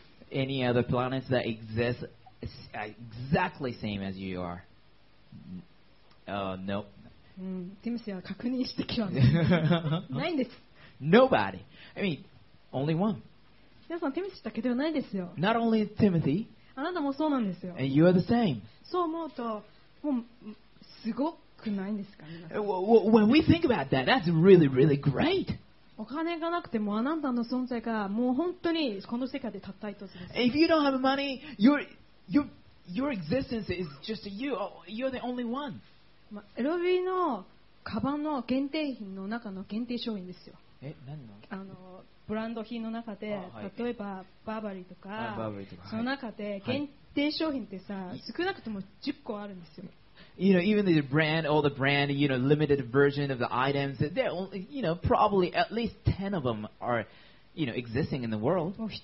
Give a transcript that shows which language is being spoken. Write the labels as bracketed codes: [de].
[en] Any other planets that exist exactly same as you are? Nope. [ja] ティムスは確認してきます。ないんです。 [en] Nobody. I mean, only one. [ja] 皆さんティムスだけではないですよ。 [en] Not only Timothy. [ja] あなたもそうなんですよ。 [en] And you are the same. [ja] そう思うと、もうすごく。 [en] When we think about that, that's really, really great. [ja] お金がなくてもあなたの存在がもう本当にこの世界でたった一つです。 [en] If you don't have money, your existence is just you. You're the only one. [ja] LVのカバンの限定品の中の限定商品ですよ。何の？あのブランド品の中で、例えばバーバリーとか、その中で限定商品ってさ、少なくとも10個あるんですよ。 [en] You know, even the brand, all the brand, you know, limited version of the items, they're only, you know, probably at least 10 of them are, you know, existing in the world.